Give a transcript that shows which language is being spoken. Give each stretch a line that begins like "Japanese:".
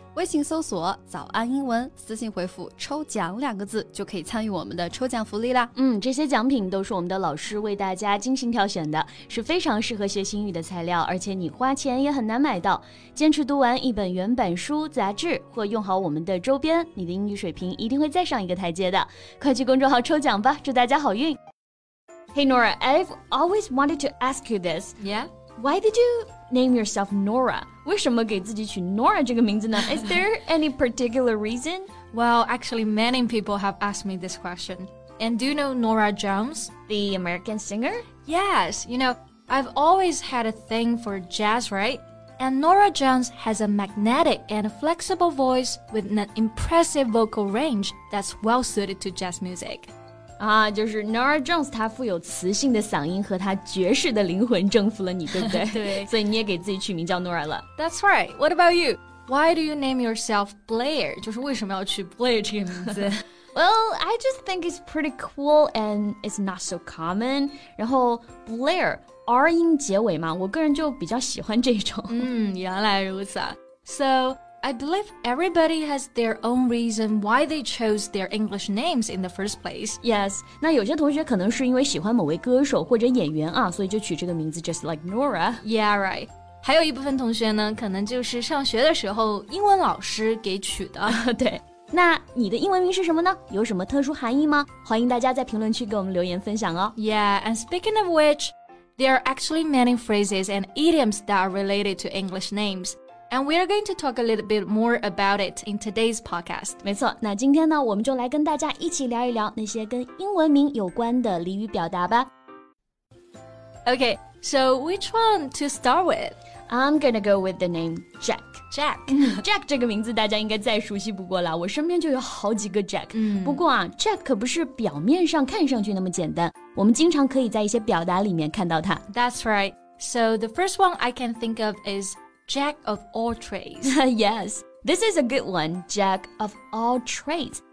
Chinese: 微信搜索早安英文，私信回复抽奖两个字就可以参与我们的抽奖福利啦。嗯，这些奖品都是我们的老师为大家精心挑选的，是非常适合学英语的材料，而且你花钱也很难买到。坚持读完一本原版书、杂志或用好我们的周边，你的英语水平一定会再上一个台阶的。快去公众号抽奖吧，祝大家好运。
English: Hey Nora, I've always wanted to ask you this. Yeah? Why did you name yourself Nora?
Chinese: 为什么给自己取 Nora 这个名字呢？
English: Is there any particular reason? Well, actually many people have asked me this question. And do you know Nora Jones? The American singer? Yes, you know, I've always had a thing for jazz, right? And Nora Jones has a magnetic and flexible voice with an impressive vocal range that's well suited to jazz music.
Chinese: 啊，就是 Nora Jones 她富有磁性的嗓音和她爵士的灵魂征服了你，对不对？对，所以你也给自己取名叫 Nora 了。
English: That's right. What about you? Why do you name yourself Blair?
Chinese: 就是为什么要取 Blair 这个名字？
English: Well, I just think it's pretty cool and it's not so common.
Chinese: 然后 Blair, R 音结尾嘛，我个人就比较喜欢这种。原来如此啊。
English: So, I believe everybody has their own reason why they chose their English names in the first place. Yes,
Chinese: 那有些同学可能是因为喜欢某位歌手或者演员啊，所以就取这个名字
English: just like Nora. Yeah, right.
Chinese: 还有一部分同学呢，可能就是上学的时候英文老师给取的。对，那你的英文名是什么呢？有什么特殊含义吗？欢迎大家在评论区给我们留言分享哦。
English: Yeah, and speaking of which, there are actually many phrases and idioms that are related to English names, and we are going to talk a little bit more about it in today's podcast.
Chinese: 没错，那今天呢，我们就来跟大家一起聊一聊那些跟英文名有关的俚语表达吧。
English: Okay, so which one to start with? I'm gonna go with the name Jack. Jack.
Chinese: Jack 这个名字大家应该再熟悉不过了，我身边就有好几个 Jack. 不过啊， Jack 可不是表面上看上去那么简单，我们经常可以在一些表达里面看到它。
English: That's right. So the first one I can think of is Jack of all trades. Yes, this is a good one, Jack of all trades.